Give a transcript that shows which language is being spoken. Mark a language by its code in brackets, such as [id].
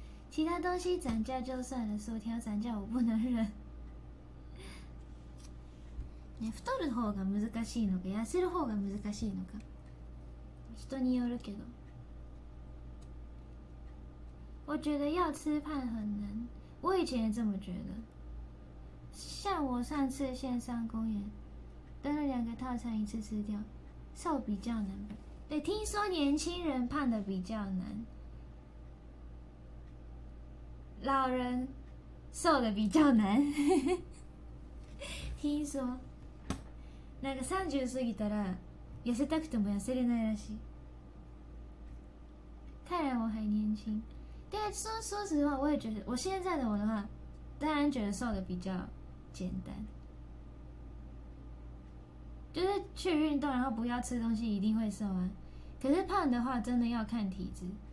[zh] 其他东西涨价就算了，薯条涨价我不能忍。 [ja] ね、太る方が難しいのか、痩せる方が難しいのか、人によるけど。 [zh] 我觉得要吃胖很难，我以前也这么觉得。像我上次线上公演。等了两个套餐一次吃掉，瘦比较难吧？对，听说年轻人胖的比较难，老人瘦的比较难。 [ja] 听说，なんか三十過ぎたら痩せたくても痩せれないらしい。 [zh] 看来我还年轻。对，说实话，我也觉得我现在的我的话，当然觉得瘦的比较简单。就是去运动，然后不要吃东西，一定会瘦啊。可是胖的话，真的要看体质。